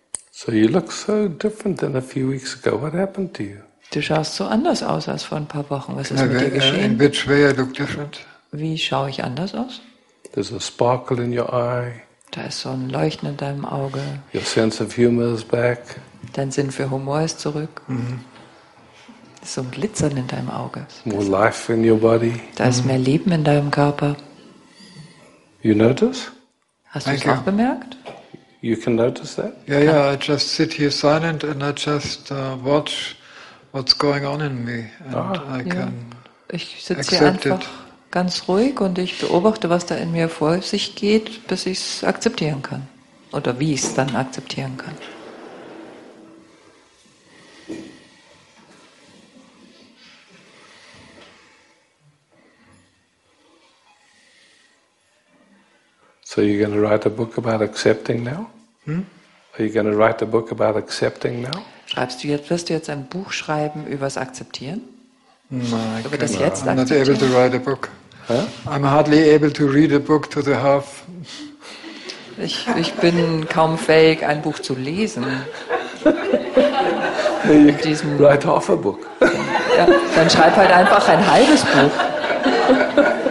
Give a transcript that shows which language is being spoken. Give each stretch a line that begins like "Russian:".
English: So you look so different than a few weeks ago. What happened to you?
German: Du schaust so anders aus als vor ein paar Wochen. Was ist mit dir geschehen?
English: In which way I look different?
German: Wie schaue ich anders aus?
English: There's a sparkle in your eye.
German: Da ist so ein Leuchten in deinem Auge.
English: Your sense of humor is back.
German: Dein Sinn für Humor ist zurück. Mm-hmm. Ist so ein Glitzern in deinem Auge.
English: More life in your body.
German: Da ist mehr Leben in deinem Körper.
English: You notice?
German: Hast du es auch bemerkt?
English: You can notice that? Yeah, I just sit here silent and I just watch what's going on in me and I can.
German: Ich sitze hier einfach ganz ruhig und ich beobachte, was da in mir vor sich geht, bis ich es akzeptieren kann oder wie ich es dann akzeptieren kann.
English: So you're going to write a book about accepting now? Are you going to write a book about accepting now?
German: Schreibst du jetzt, wirst du jetzt ein Buch schreiben über das Akzeptieren?
English: I'm not able to write a book. Huh? I'm hardly able to read a book to the half.
German: Ich bin kaum fähig, ein Buch zu lesen.
English: Write half a book.
German: Ja, dann schreib halt einfach ein halbes Buch.